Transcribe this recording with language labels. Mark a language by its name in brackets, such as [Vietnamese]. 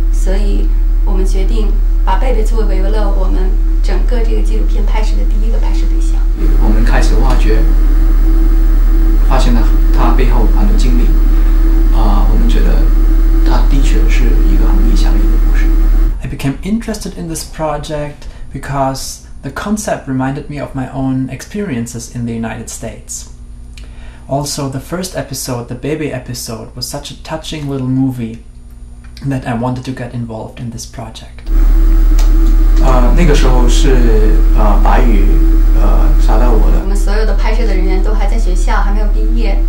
[Chinese] 所以我们决定把贝贝作为了我们整个这个纪录片拍摄的第一个拍摄对象。我们开始挖掘，发现了他背后很多经历我们觉得他的确是一个很有影响力的故事。 [English] I became interested in this project because the concept reminded me of my own experiences in the United States. Also, the first episode, the baby episode, was such a touching little movie that I wanted to get involved in this project. [Chinese] 那个时候是白宇杀到我的。我们所有的拍摄的人员都还在学校，还没有毕业。